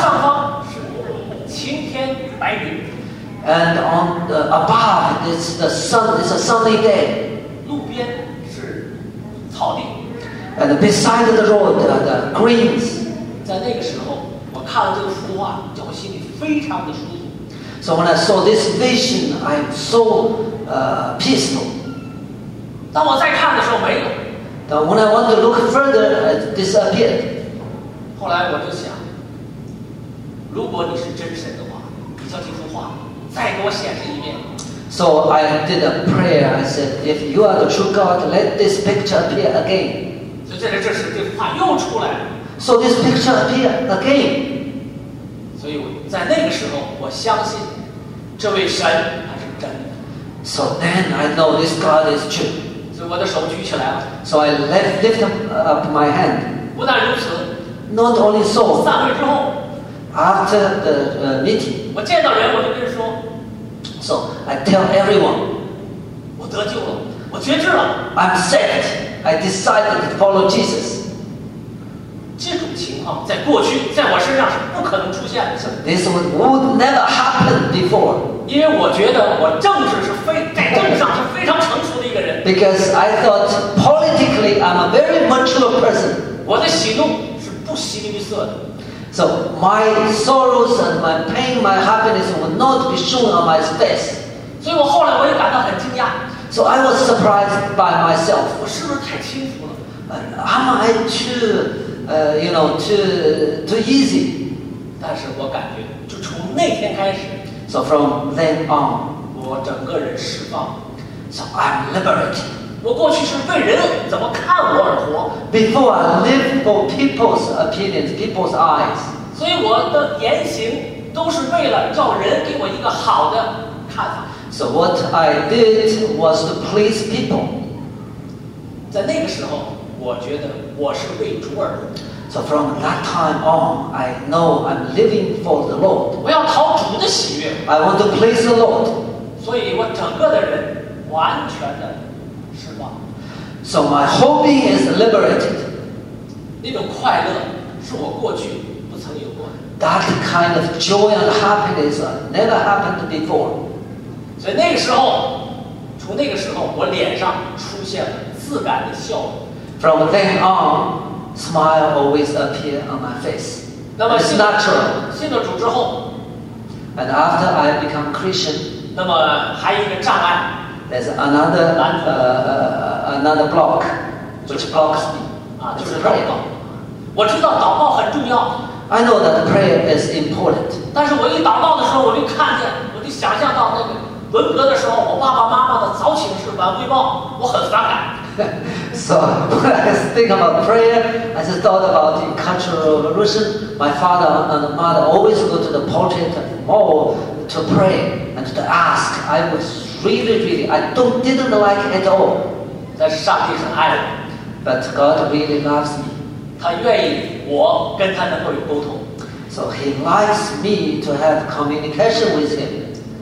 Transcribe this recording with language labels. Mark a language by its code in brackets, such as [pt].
[zh] 上方是晴天白云。 [en] And on the above, it's the sun. It's a sunny day. [zh] 路边是草地。 [en] And beside the road, the greens. [zh] 在那个时候，我看了这个幅画，叫我心里非常的舒服。 [en] So when I saw this vision, I saw peaceful. [zh] 当我再看的时候，没有。 [en] But when I want to look further, it disappeared. [zh] 后来我就想，如果你是真神的话，你叫这幅画再给我显示一遍。 [en] So I did a prayer. I said, if you are the true God, let this picture appear again. [zh] 就在这时，这幅画又出来了。 [en] So this picture appear again. [zh] 所以在那个时候，我相信这位神他是真的。 [en] So then I know this God is true. [zh] 所以我的手举起来了。 [en] So I lift up my hand. [zh] 不但如此。 [en] Not only so. [zh] 散会之后。 [en] After the meeting. [zh] 我见到人，我就跟人说。 [en] So I tell everyone. [zh] 我得救了，我决志了。 [en] I'm saved. I decided to follow Jesus. [zh] 这种情况在过去在我身上是不可能出现的。 [en] So, this would never happen before. [zh] 因为我觉得我政治是非在政治上是非常成熟的一个人。 [en] Because I thought politically I'm a very mature person. [zh] 我的喜怒是不形于色的。 [en] So my sorrows and my pain, my happiness would not be shown on my face. [zh] 所以我后来我也感到很惊讶。 [en] So I was surprised by myself. [zh] 我是不是太轻浮了？ [en] Am I too easy. [zh] 但是我感觉就从那天开始。 [en] So from then on, [zh] 我整个人释放。 [en] So I'm liberated. [zh] 我过去是为人怎么看我而活。 [en] Before I live for people's opinions, people's eyes. [zh] 所以我的言行都是为了叫人给我一个好的看法。 [en] So what I did was to please people. [zh] 在那个时候我觉得我是为主而活。 [en] So from that time on, I know I'm living for the Lord. [zh] 我要讨主的喜悦。 [en] I want to please the Lord. [zh] 所以我整个的人完全的释放。 [en] So my whole being is liberated. [zh] 那种快乐是我过去不曾有过的。 [en] That kind of joy and happiness never happened before. [zh] 所以那个时候，从那个时候，我脸上出现了自然的笑容。 [en] From then on, smile always appear on my face. [zh] 那么 [en] It's natural. [zh] 信了主之后， [en] and after I become Christian, [zh] 那么还有一个障碍， [en] there's another block which blocks me. [zh] 就是祷告。我知道祷告很重要。 [en] I know that prayer is important. [zh] 但是我一祷告的时候，我就看见，我就想象到那个文革的时候，我爸爸妈妈的早请示晚汇报，我很反感。 [en] So when I think about prayer, I just thought about the Cultural Revolution. My father and mother always go to the portrait mall to pray and to ask. I was really, really, didn't like it at all. [zh] 但是上帝是爱我。 [en] But God really loves me. [zh] 他愿意我跟他能够有沟通。 [en] So he likes me to have communication with him.